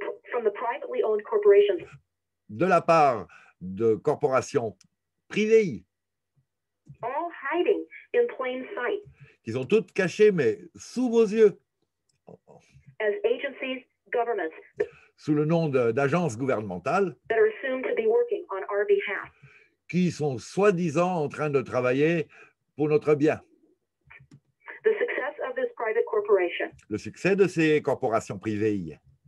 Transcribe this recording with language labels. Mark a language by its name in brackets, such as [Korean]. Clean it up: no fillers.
[English] from the privately owned corporations. [French] De la part de corporations privées, [English] all hiding in plain sight. [French] Qui sont toutes cachées, mais sous vos yeux, [English] as agencies, governments, [French] sous le nom d'agences gouvernementales, [English] that are assumed to be working on our behalf. [French] Qui sont soi-disant en train de travailler pour notre bien. [English] The success of this private corporation. [French] Le succès de ces corporations privées,